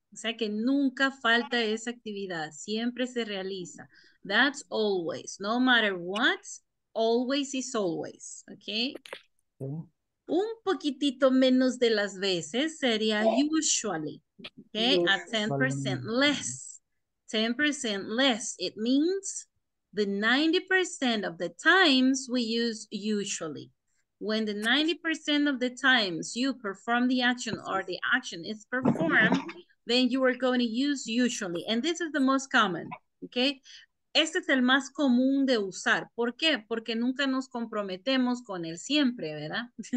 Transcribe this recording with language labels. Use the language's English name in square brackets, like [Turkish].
[Spanish] O sea que nunca falta esa actividad, siempre se realiza. [English] That's always, no matter what, always is always, okay? [Spanish] Un poquitito menos de las veces sería usually, okay? [English] A 10% less. 10% less, it means the 90% of the times we use usually. When the 90% of the times you perform the action or the action is performed, then you are going to use usually. And this is the most common, okay? [Spanish] Este es el más común de usar. ¿Por qué? Porque nunca nos comprometemos con el siempre, ¿verdad?